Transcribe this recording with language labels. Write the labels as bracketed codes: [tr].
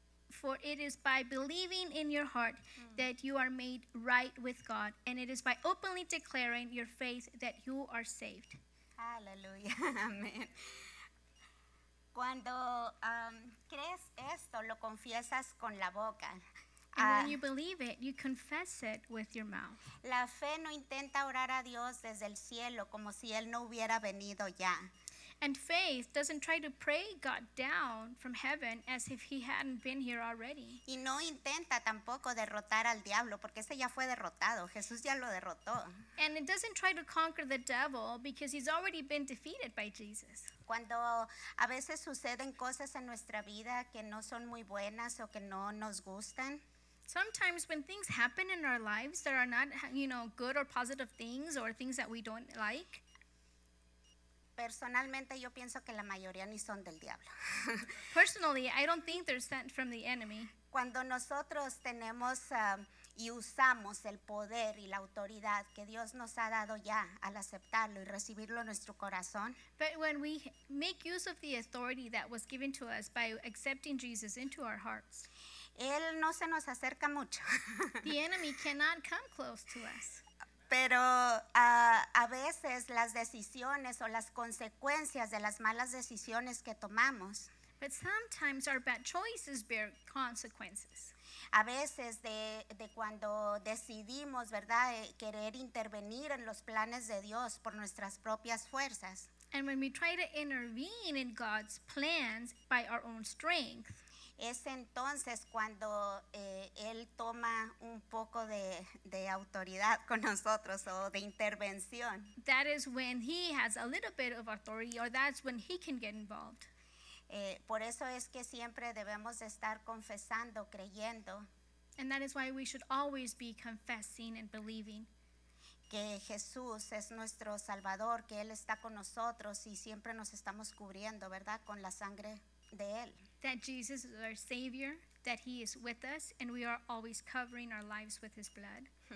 [en] For it is by believing in your heart that you are made right with God, and it is by openly declaring your faith that you are saved. Hallelujah. Amen. [es] Cuando crees esto, lo confiesas con la boca. [en] And when you believe it, you confess it with your mouth. [es] La fe no intenta orar a Dios desde el cielo como si él no hubiera venido ya. [en] And faith doesn't try to pray God down from heaven as if he hadn't been here already. [es] Y no intenta tampoco derrotar al diablo porque ese ya fue derrotado. Jesús ya lo derrotó. [en] And it doesn't try to conquer the devil because he's already been defeated by Jesus. [es] Cuando a veces suceden cosas en nuestra vida que no son muy buenas o que no nos gustan. [en] Sometimes when things happen in our lives that are not, you know, good or positive things or things that we don't like. [es] Personalmente, yo pienso que la mayoría ni son del diablo. [en] Personally, I don't think they're sent from the enemy. [es] Cuando nosotros tenemos y usamos el poder y la autoridad que Dios nos ha dado ya al aceptarlo y recibirlo en nuestro corazón. [en] But when we make use of the authority that was given to us by accepting Jesus into our hearts. [es] Él no se nos acerca mucho. [en] The enemy cannot come close to us. [es] Pero a veces las decisiones o las consecuencias de las malas decisiones que tomamos. [en] But sometimes our bad choices bear consequences. [es] A veces de cuando decidimos, ¿verdad?, querer intervenir en los planes de Dios por nuestras propias fuerzas. [en] And when we try to intervene in God's plans by our own strength. [es] Es entonces cuando él toma un poco de autoridad con nosotros o de intervención. [en] That is when he has a little bit of authority, or that's when he can get involved. [es] Por eso es que siempre debemos estar confesando, creyendo. [en] And that is why we should always be confessing and believing. [es] Que Jesús es nuestro Salvador, que él está con nosotros y siempre nos estamos cubriendo, ¿verdad?, con la sangre de él. [en] That Jesus is our Savior, that he is with us, and we are always covering our lives with his blood.